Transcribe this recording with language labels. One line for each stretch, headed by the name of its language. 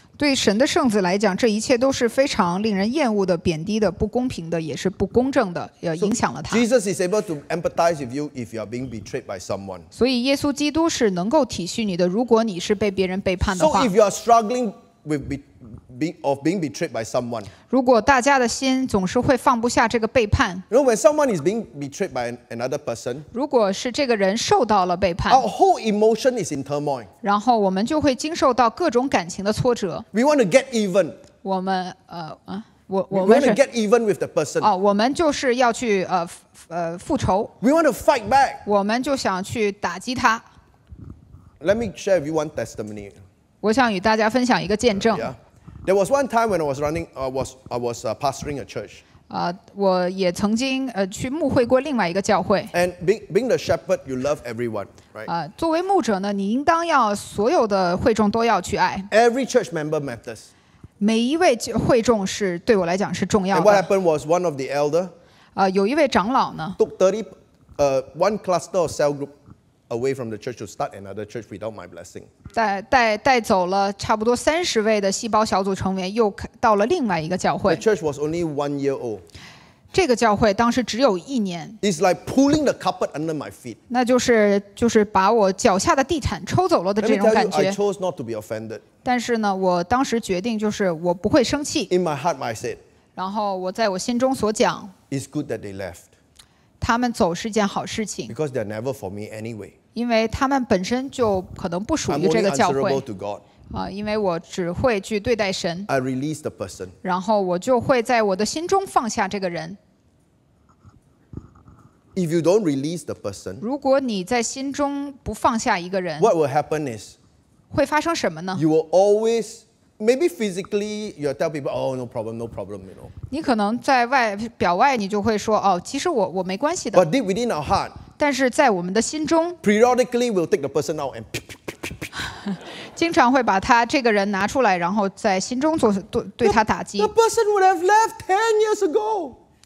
Chinese: 对神的圣子来讲，这一切都是非常令人厌恶的、贬低的、不公平的，也是不公正的，影响了他。
English: So, Jesus is able to empathize with you if you are being betrayed by someone.
Chinese: 所以耶稣基督是能够体恤你的，如果你是被别人背叛的话。
English: So if you are strugglingof being betrayed by someone.
Chinese: 如果大家的心总是会放不下这个背叛。
English: You know, when someone is being betrayed by another person.
Chinese: 如果是这个人受到了背叛。
English: Our whole emotion is in turmoil.
Chinese: 然后我们就会经受到各种感情的挫折。
English: We want to get even.
Chinese: 我们
English: We want to get even with the person.
Chinese: 我们就是要去复仇。
English: We want to fight back.
Chinese: 我们就想去打击他。
English: Let me share with you one testimony.
Chinese: 我想与大家分享一个见证。
English: There was one time when I was running, I was pastoring a church.
Chinese: 我也曾经去牧会过另外一个教会。
English: And being the shepherd, you love everyone, right?
Chinese: 作为牧者呢，你应当要所有的会众都要去爱。
English: Every church member matters.
Chinese: 每一位会众是对我来讲是重要的。
English: And what happened was one of the elder,
Chinese: 有一位长老呢
English: took 30, one cluster of cell group away from the church to start another church without my blessing.
Chinese: 带走了差不多30位的细胞小组成员，又到了另外一个教会。
English: The church was only 1 year old.
Chinese: 这个教会当时只有一年。
English: It's like pulling the carpet under my feet.
Chinese: 那就是把我脚下的地毯抽走了的这种感觉。
English: I chose not to be offended.
Chinese: 但是呢，我当时决定就是我不会生气。
English: In my heart, I said.
Chinese: 然后我在我心中所讲。
English: It's good that they left.
Chinese: 他们走是件好事情
English: ，because they're never for me anyway.
Chinese: 因为他们本身就可能不属于这个教会。
English: I'm only answerable to God.
Chinese: 因为我只会去对待神。
English: I release the person.
Chinese: 然后我就会在我的心中放下这个人。
English: If you don't release the person,
Chinese: 如果你在心中不放下一个人
English: ，what will happen is,
Chinese: 会发生什么呢
English: ？You will always. Maybe physically, you tell people, "Oh, no problem, no problem." You know.
Chinese: 你可能在外表外，你就会说，哦，其实我没关系的。
English: But deep within our heart.
Chinese: 但是在我们的心中。
English: Periodically, we'll take the person out and.
Chinese: 经常会把他这个人拿出来，然后在心中做对他打击。
English: The person would have left 10 years ago.